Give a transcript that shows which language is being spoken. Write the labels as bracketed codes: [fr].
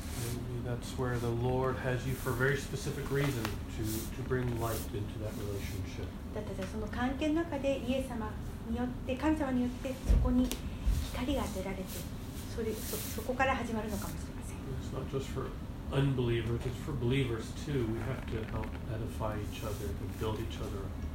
[en] Maybe that's where the Lord has you for a very specific reason to bring light into that relationship. [ja] だってその関係の中でイエス様によって神様によってそこに光が当てられて、そこから始まるのかもしれません。 [en] It's not just for unbelievers, it's for believers too. We have to help edify each other and build each other up.